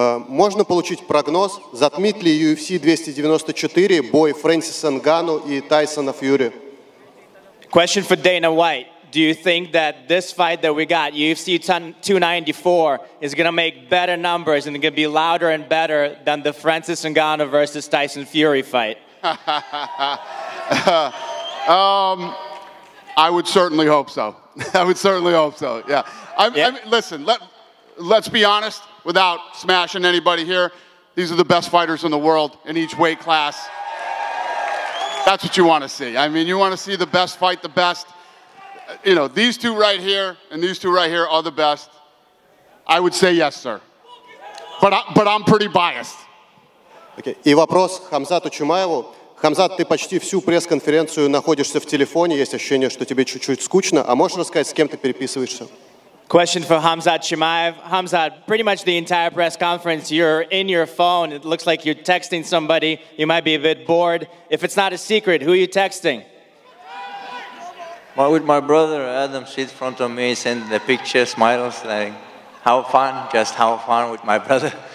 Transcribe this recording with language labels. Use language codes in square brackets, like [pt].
[ru] Можно получить прогноз, затмит ли UFC 294 бой Фрэнсиса Нгану и Тайсона Фьюри? [en] Question for Dana White. Do you think that this fight that we got, UFC 294, is going to make better numbers and going to be louder and better than the Francis Ngannou versus Tyson Fury fight? I would certainly hope so. I would certainly hope so, yeah. I mean, listen, let's be honest, without smashing anybody here, these are the best fighters in the world in each weight class. That's what you want to see. I mean, you want to see the best fight the best. You know, these two right here and these two right here are the best. I would say yes, sir. But I'm pretty biased. Okay. [ru] И вопрос Хамзату Чимаеву. Хамзат, ты почти всю пресс-конференцию находишься в телефоне. Есть ощущение, что тебе чуть-чуть скучно. А можешь рассказать, с кем ты переписываешься? [en] Question for Khamzat Chimaev. Khamzat, pretty much the entire press conference, you're in your phone. It looks like you're texting somebody. You might be a bit bored. If it's not a secret, who are you texting? With my brother Adam sits in front of me, sending the picture, smiles, like, how fun, just how fun with my brother.